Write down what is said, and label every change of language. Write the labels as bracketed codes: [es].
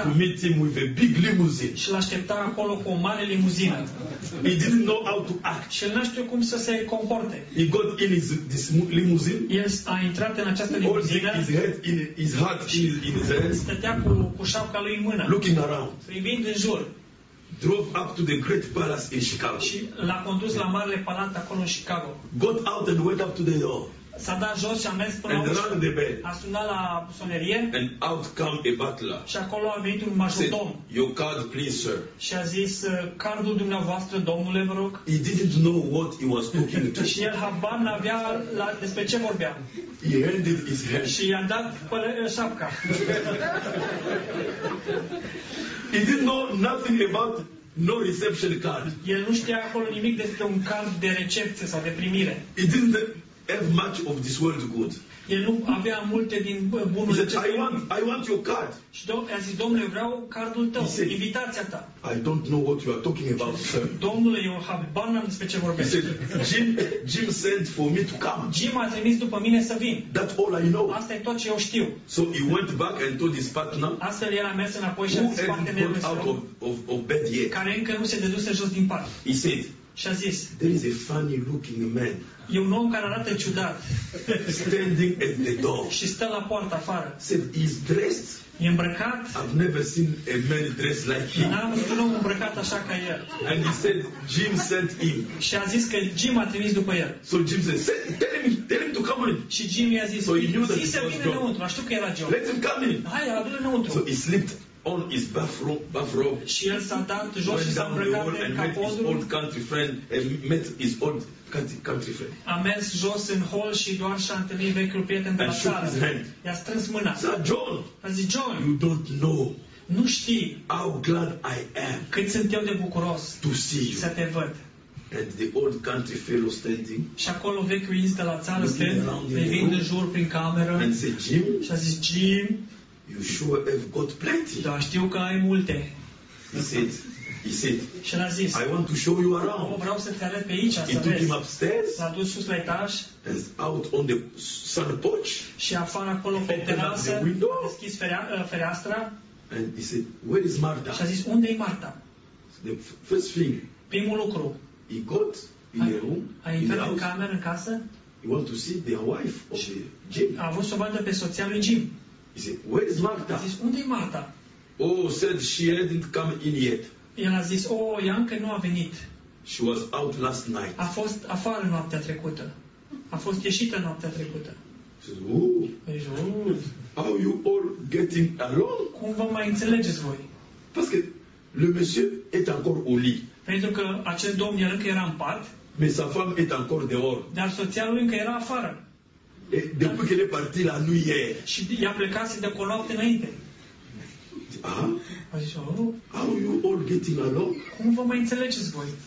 [en] To meet him with a big limousine. [ro] Și l-aștepta acolo cu o mare limuzină. [en] He didn't know how to act. [ro] Și el nu știa cum să se comporte. [en] He got in this limousine. Yes, [ro] a intrat în această limuzină. [en] All his head in his hat in his hands. [ro] Stătea cu șapca lui în mână. [en] Looking around. [ro] Privind în jur. [en] Drove up to the Great Palace in Chicago. [ro] Și l-a condus la Marele Palat acolo în Chicago. [en] Got out and went up to the door. [ro] S-a dat jos și a mers până [en] and [ro] la ușă. A sunat la sonerie. [en] And out came a butler. [ro] Și acolo a venit un majordom. [en] Your card, please, sir. [ro] Și a zis, cardul dumneavoastră, domnule, vă rog. [en] He didn't know what he was talking to. [ro] Și el habar n-avea despre ce vorbea. [en] He handed his hand. [ro] Și i-a dat șapca. [en] He didn't know nothing about no reception card. [ro] El nu știa acolo nimic despre un card de recepție sau de primire. [en] He didn't have much of this world good. [ro] El nu avea multe din bunul. [en] He said, I want your card. [ro] Și a zis, domnule, vreau cardul tău, [en] said, [ro] invitația ta. [en] I don't know what you are talking about, sir. [ro] Domnule, eu habar n-am despre ce vorbesc. [en] He said, Jim sent for me to come. [ro] Jim a trimis după mine să vin. [en] That's all I know. [ro] Asta e tot ce eu știu. [en] So he went back and told his partner. [ro] Astfel el a mers înapoi și a zis partenerului său. [en] Out of bed yet. [ro] Care încă nu se dăduse jos din pat. [en] He said, [ro] și a zis, [en] there is a funny looking man. [ro] E un om care arată ciudat. [en] Standing at the door. [ro] Și stă la poartă afară. [en] Said, he's dressed. [ro] E îmbrăcat. [en] I've never seen a man dressed like him. [ro] N-am văzut un om îmbrăcat așa ca el. [en] And he said, Jim sent him. [ro] Și a zis că Jim a trimis după el. [en] So Jim said, tell him to come in. [ro] Și Jim i-a zis, [en] so he knew that [ro] zis să vină înăuntru, știu că era John. [en] Let him come in. [ro] Hai, adu-l înăuntru. [en] So he slipped on his bathrobe. [ro] Și el s-a dat jos și s-a îmbrăcat de capodul. [en] His old country friend and met his old country friend. [ro] A mers jos în hol și doar și-a întâlnit vechiul prieten de la țară. I-a strâns mâna. [en] Sir John. [ro] A zis, John. [en] You don't know. [ro] Nu știi. [en] How glad I am. [ro] Cât sunt eu de bucuros. [en] To see you. [ro] Să te văd. [en] And the old country fellow standing. [ro] Și acolo vechiul ins de la țară stând, privind în jur prin cameră. [en] And said, Jim. [ro] Și a zis, Jim. [en] You sure have got plenty. [ro] Da, știu că ai multe. [en] He said. [ro] Și a zis, [en] I want to show you around. [ro] Vreau să te arăt pe aici, să vezi. [en] He took him upstairs. [ro] S-a dus sus la etaj. [en] And out on the sun porch. [ro] Și afară acolo pe terasă. A deschis fereastra. [en] And he said, where is Marta? [ro] Și a zis, unde e Marta? [en] So the first thing. [ro] Primul lucru. [en] He got in the room. [ro] A intrat în cameră, în casă. [en] He want to see the wife of the Jim. [ro] A vrut să vadă pe soția lui Jim. [en] He said, where is Marta? [ro] A zis, unde e Marta? [en] Oh, said she hadn't come in yet. [ro] El a zis, oh, ea încă nu a venit. [en] She was out last night. [ro] A fost afară noaptea trecută. A fost ieșită noaptea trecută. [en] Says, oh, how you all getting along? [ro] Cum vă mai înțelegeți voi? [fr] Parce que le monsieur est encore au lit. [ro] Pentru că acest domn el încă era în pat. [fr] Mais sa femme est encore dehors. [ro] Dar soția lui încă era afară. [fr] Depuis qu'elle est partie la nuit hier. [ro] Și i-a plecat de acolo noapte înainte. Ah? A zis, oh, [en] how you all getting along? [ro] Cum vă mai înțelegeți voi?